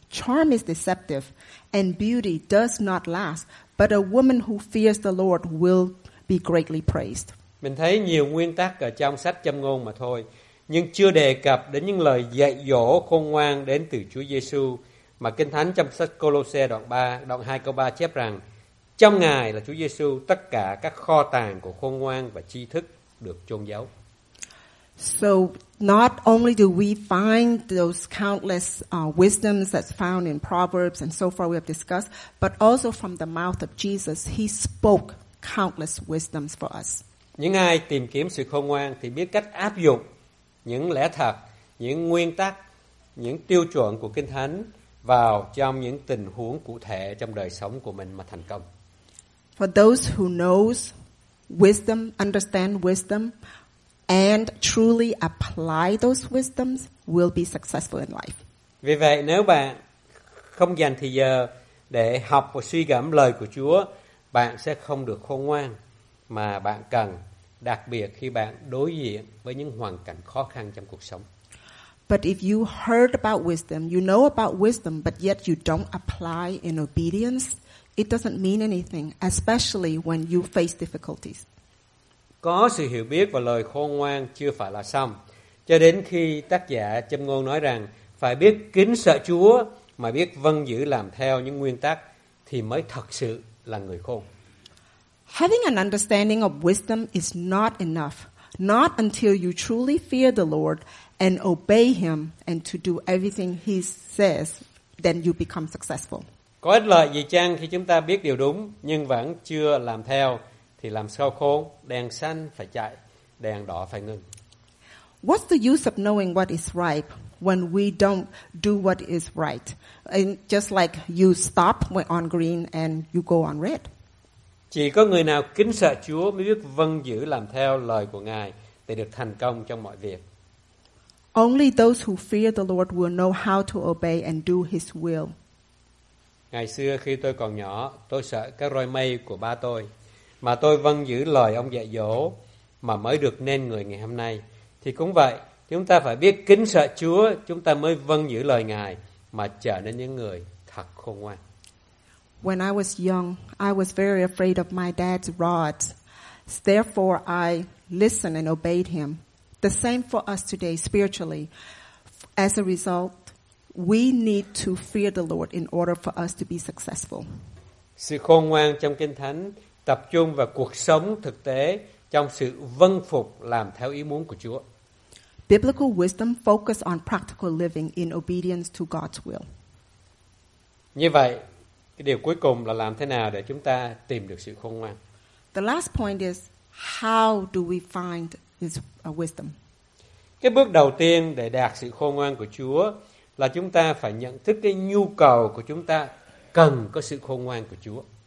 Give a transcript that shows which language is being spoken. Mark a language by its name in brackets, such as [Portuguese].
[English] charm is deceptive, and beauty does not last, but a woman who fears the Lord will be greatly praised. [Vietnamese] Mình thấy nhiều nguyên tắc ở trong sách Châm ngôn mà thôi, nhưng chưa đề cập đến những lời dạy dỗ khôn ngoan đến từ Chúa Giêsu mà Kinh Thánh trong sách Côlôse đoạn 2 câu 3 chép rằng trong Ngài là Chúa Giêsu tất cả các kho tàng của khôn ngoan và tri thức được chôn giấu. [English] So not only do we find those countless wisdoms that's found in Proverbs and so far we have discussed, but also from the mouth of Jesus, he spoke countless wisdoms for us. [Vietnamese] Những ai tìm kiếm sự khôn ngoan thì biết cách áp dụng những lẽ thật, những nguyên tắc, những tiêu chuẩn của Kinh Thánh vào trong những tình huống cụ thể trong đời sống của mình mà thành công. [English] For those who knows wisdom, understand wisdom, and truly apply those wisdoms will be successful in life. [Vietnamese] Vì vậy, nếu bạn không dành thời giờ để học và suy gẫm lời của Chúa, bạn sẽ không được khôn ngoan mà bạn cần, đặc biệt khi bạn đối diện với những hoàn cảnh khó khăn trong cuộc sống. [English] But if you heard about wisdom, you know about wisdom, but yet you don't apply in obedience, it doesn't mean anything, especially when you face difficulties. [Vietnamese] Có sự hiểu biết và lời khôn ngoan chưa phải là xong, cho đến khi tác giả Châm ngôn nói rằng phải biết kính sợ Chúa mà biết vâng giữ làm theo những nguyên tắc thì mới thật sự là người khôn. [English] Having an understanding of wisdom is not enough, not until you truly fear the Lord and obey him and to do everything he says, then you become successful. [Vietnamese] Có ích lợi gì chăng khi chúng ta biết điều đúng nhưng vẫn chưa làm theo thì làm sao khôn? Đèn xanh phải chạy, đèn đỏ phải ngừng. [English] What's the use of knowing what is right when we don't do what is right? And just like you stop on green and you go on red. [Vietnamese] Chỉ có người nào kính sợ Chúa mới biết vâng giữ làm theo lời của Ngài để được thành công trong mọi việc. [English] Only those who fear the Lord will know how to obey and do his will. [Vietnamese] Ngày xưa khi tôi còn nhỏ, tôi sợ cái roi mây của ba tôi, mà tôi vâng giữ lời ông dạy dỗ mà mới được nên người ngày hôm nay. Thì cũng vậy, chúng ta phải biết kính sợ Chúa, chúng ta mới vâng giữ lời Ngài mà trở nên những người thật khôn ngoan. [English] When I was young, I was very afraid of my dad's rods. Therefore, I listened and obeyed him. The same for us today spiritually. As a result, we need to fear the Lord in order for us to be successful. [Vietnamese] Sự khôn ngoan trong Kinh Thánh tập trung vào cuộc sống thực tế trong sự vâng phục làm theo ý muốn của Chúa. [English] Biblical wisdom focus on practical living in obedience to God's will. [Vietnamese] Như vậy, cái điều cuối cùng là làm thế nào để chúng ta tìm được sự khôn ngoan? [English] The last point is how do we find this wisdom? [Vietnamese] Cái bước đầu tiên để đạt sự khôn ngoan của Chúa là chúng ta phải nhận thức cái nhu cầu của chúng ta cần có sự khôn ngoan của Chúa.